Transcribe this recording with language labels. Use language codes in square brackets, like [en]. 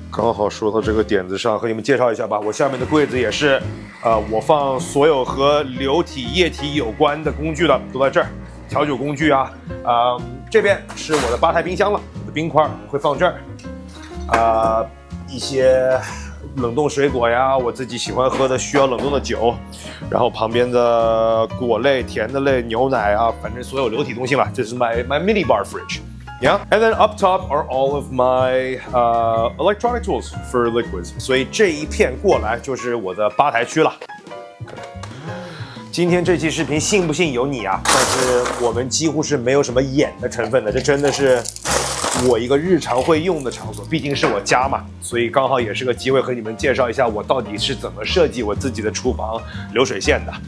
[zh] 刚好说到这个点子上，和你们介绍一下吧，我下面的柜子也是我放所有和流体液体有关的工具的都在这儿，调酒工具啊，这边是我的吧台冰箱了，我的冰块会放这儿，一些冷冻水果呀，我自己喜欢喝的需要冷冻的酒，然后旁边的果类、甜的类、牛奶啊，反正所有流体东西嘛，这是 [en] my mini bar fridge。 Yeah, and then up top are all of my electronic tools for liquids. [zh] 所以这一片过来就是我的吧台区了。今天这期视频信不信由你啊，但是我们几乎是没有什么演的成分的，这真的是我一个日常会用的场所，毕竟是我家嘛，所以刚好也是个机会和你们介绍一下我到底是怎么设计我自己的厨房流水线的。